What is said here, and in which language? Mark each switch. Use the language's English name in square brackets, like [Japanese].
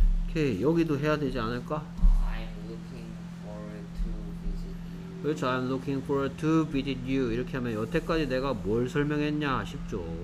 [Korean] 오케이. 여기도 해야 되지 않을까? [English] I am looking forward to visit you. [Korean] 그렇죠. [English] I am looking forward to visit you. [Korean] 이렇게 하면 여태까지 내가 뭘 설명했냐 싶죠.